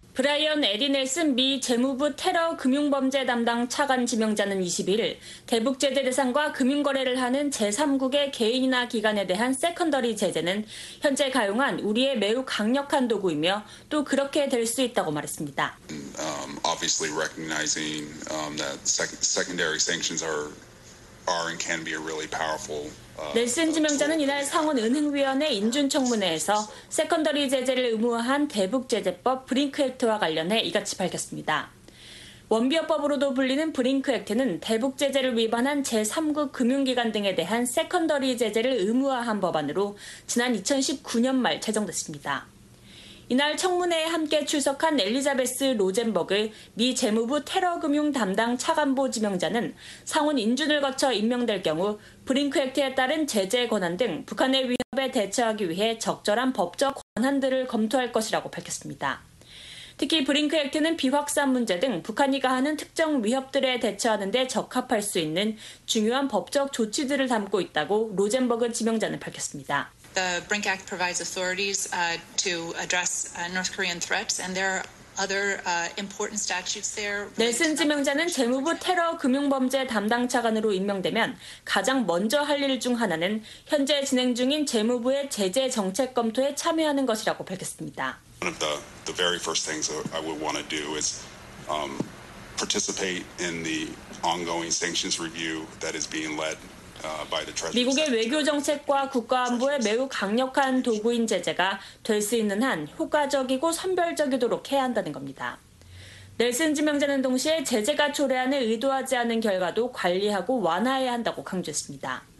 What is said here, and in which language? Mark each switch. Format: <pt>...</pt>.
<ko>브라이언 에디 넬슨 미 재무부 테러 금융범죄 담당 차관 지명자는 21일 대북 제재 대상과 금융거래를 하는 제3국의 개인이나 기관에 대한 세컨더리 제재는 현재 가용한 우리의 매우 강력한 도구이며 또 그렇게 될 수 있다고 말했습니다.</ko> <en>Obviously recognizing that secondary sanctions are and can be a really powerful</en> <ko>넬슨 지명자는 이날 상원은행위원회 인준청문회에서 세컨더리 제재를 의무화한 대북제재법 브링크 액트와 관련해 이같이 밝혔습니다. 원비어법으로도 불리는 브링크 액트는 대북제재를 위반한 제3국 금융기관 등에 대한 세컨더리 제재를 의무화한 법안으로 지난 2019년 말 제정됐습니다. 이날 청문회에 함께 출석한 엘리자베스 로젠버그 미 재무부 테러금융 담당 차관보 지명자는 상원 인준을 거쳐 임명될 경우 브링크액트에 따른 제재 권한 등 북한의 위협에 대처하기 위해 적절한 법적 권한들을 검토할 것이라고 밝혔습니다. 특히 브링크액트는 비확산 문제 등 북한이 가하는 특정 위협들에 대처하는 데 적합할 수 있는 중요한 법적 조치들을 담고 있다고 로젠버그 지명자는 밝혔습니다.</ko> <en>The Brink Act provides authorities to address North Korean threats, and there are other important statutes there.</en> <ko>넬슨 지명자는 재무부 테러 금융범죄 담당 차관으로 임명되면 가장 먼저 할 일 중 하나는 현재 진행 중인 재무부의 제재 정책 검토에 참여하는 것이라고 밝혔습니다.</ko> <en>One of the very first things I would want to do is participate in the ongoing sanctions review that is being led.</en> <ko>미국의 외교 정책과 국가안보에 매우 강력한 도구인 제재가 될 수 있는 한 효과적이고 선별적이도록 해야 한다는 겁니다. 넬슨 지명자는 동시에 제재가 초래하는 의도하지 않은 결과도 관리하고 완화해야 한다고 강조했습니다.</ko>